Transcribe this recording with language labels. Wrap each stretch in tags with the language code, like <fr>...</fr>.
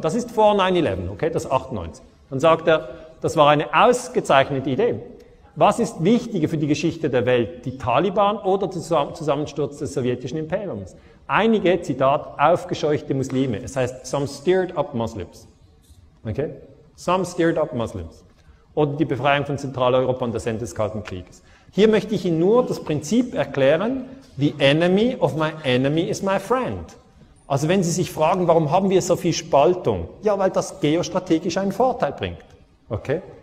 <de>Das ist vor 9-11, okay, das ist 98. Dann sagt er, das war eine ausgezeichnete Idee. Was ist wichtiger für die Geschichte der Welt, die Taliban oder der Zusammensturz des sowjetischen Imperiums? Einige, Zitat, aufgescheuchte Muslime, es heißt,</de> <en>some stirred up Muslims. Okay, some stirred up Muslims.</en> <de>Oder die Befreiung von Zentraleuropa und das Ende des Kalten Krieges. Hier möchte ich Ihnen nur das Prinzip erklären,</de> <en>the enemy of my enemy is my friend.</en> <de>Also wenn Sie sich fragen, warum haben wir so viel Spaltung? Ja, weil das geostrategisch einen Vorteil bringt. Okay?</de>